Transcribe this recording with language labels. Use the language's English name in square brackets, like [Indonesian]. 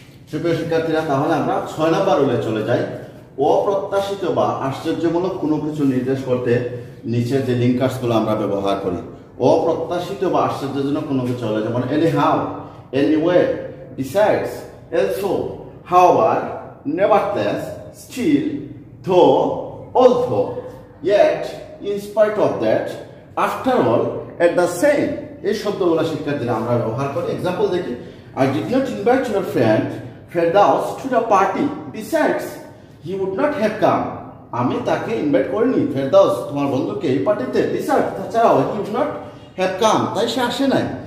[Bangla] সুপ্রিয় শিক্ষার্থীরা, তাহলে আমরা ছয় নম্বর রুলে চলে যাই। অপ্রত্যাশিত বা আশ্চর্যমূলক কোনো কিছু নির্দেশ করতে নিচে যে লিঙ্কার্সগুলো আমরা ব্যবহার করি, অপ্রত্যাশিত বা আশ্চর্যজনক কোনো কিছু হলে, যেমন any how, [English] anywhere. Besides, also, however, nevertheless, still, though, although, yet, in spite of that, after all, at the same. [Bangla] এই শব্দগুলো শিক্ষার জন্য আমরা ব্যবহার করি। এক্সাম্পল দেখি, [English] I did not invite your friend Ferdous to the party, besides he would not have come. [Bangla] আমি তাকে ইনভাইট করিনি, ফেরদাউস তোমার বন্ধুকে এই পার্টিতে, বিসাইডস তাছাড়াও [English] he would not have come, [Bangla] তাই সে আসে নাই।